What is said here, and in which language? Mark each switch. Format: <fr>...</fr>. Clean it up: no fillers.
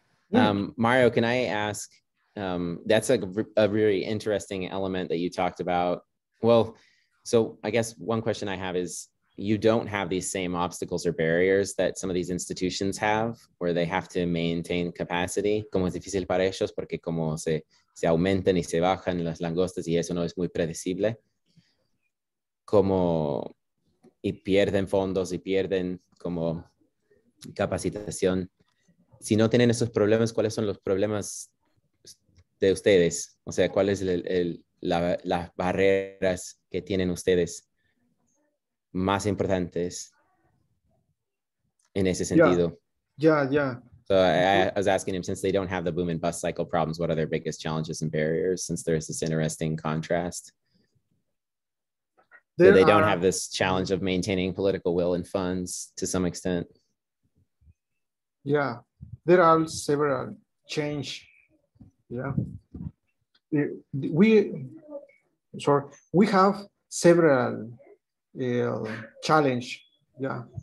<en>Mario, can I ask, that's a really interesting element that you talked about. Well, so I guess one question I have is, you don't have these same obstacles or barriers that some of these institutions have, where they have to maintain capacity.</en> <es>Como es difícil para ellos, porque como se aumentan y se bajan las langostas y eso no es muy predecible. Como... y pierden fondos y pierden como capacitación. Si no tienen esos problemas, ¿cuáles son los problemas de ustedes? O sea, ¿cuáles son las barreras que tienen ustedes más importantes en ese sentido?</es> <en>So I was asking him, since they don't have the boom and bust cycle problems, what are their biggest challenges and barriers, since there is this interesting contrast? So they don't have this challenge of maintaining political will and funds to some extent. Yeah, there are several change. Yeah, we have several challenge. Yeah.</en>